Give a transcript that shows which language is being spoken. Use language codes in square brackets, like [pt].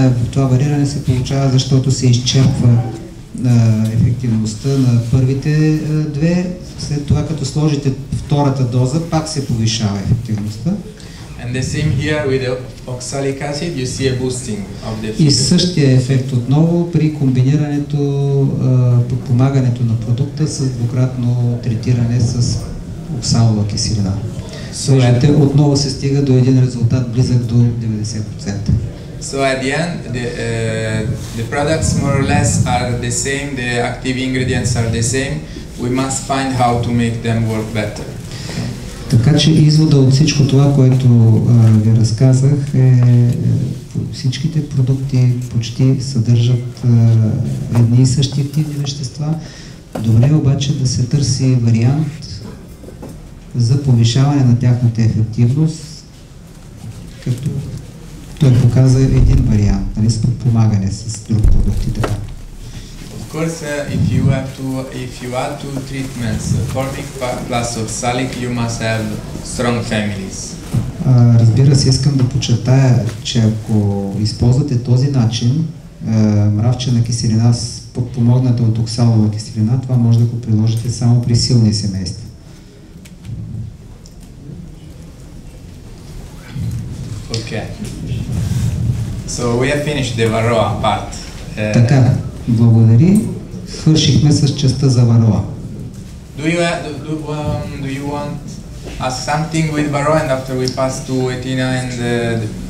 [bg] Това вариране се получава, защото се изчерпва ефективността на първите две. След това, като сложите втората доза, пак се повишава ефективността. [en] And the same here with the oxalic acid, you see a boosting of the efficacy. [bg] И същия ефект отново при комбинирането, подпомагането на продукта с двукратно третиране с оксалова киселина. Слушайте, отново се стига до един резултат близък до 90%. [en] So at the end, the products more or less are the same, the active ingredients are the same. We must find how to make them work better. [bg] Така че извода от всичко това, което ви разказах, е всичките продукти почти съдържат едни и същи активни вещества. Добре е обаче да се търси вариант за повишаване на тяхната ефективност, като той показа един вариант, нали, с подпомагане с друг продукт и така. [en] Of course, if you add two treatments, formic plus oxalic, you must have strong families. [bg] Разбира се, искам да подчертая, че ако използвате този начин, мравчена киселина, подпомогната от оксалова киселина, това може да го приложите само при силни семейства. [en] Okay. So we have finished the varroa part. [bg] Така. Благодари. Свършихме с частта за варроа. [en] Do you want ask something with varroa and after we pass to Etina and the